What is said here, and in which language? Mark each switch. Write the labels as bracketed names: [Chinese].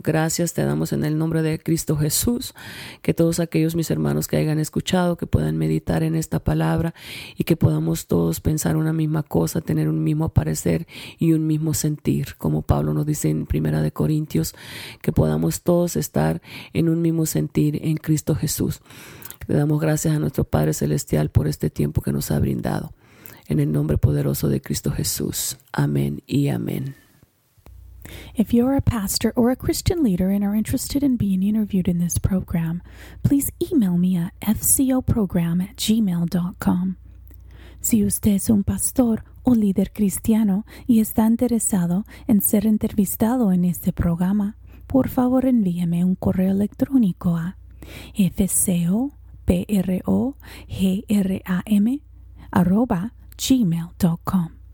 [Spanish] Gracias te damos en el nombre de Cristo Jesús, que todos aquellos mis hermanos que hayan escuchado, que puedan meditar en esta palabra y que podamos todos pensar una misma cosa, tener un mismo parecer y un mismo sentir. Como Pablo nos dice en 1 Corintios, que podamos todos estar en un mismo sentir en Cristo Jesús. Le damos gracias a nuestro Padre Celestial por este tiempo que nos ha brindado. En el nombre poderoso de Cristo Jesús. Amén y amén. [English] If you are a pastor or a Christian leader and are interested in being interviewed in this program, please email me at fcoprogram@gmail.com. [Spanish] Si usted es un pastor o líder cristiano y está interesado en ser entrevistado en este programa, por favor envíeme un correo electrónico a fcoprogram@gmail.com.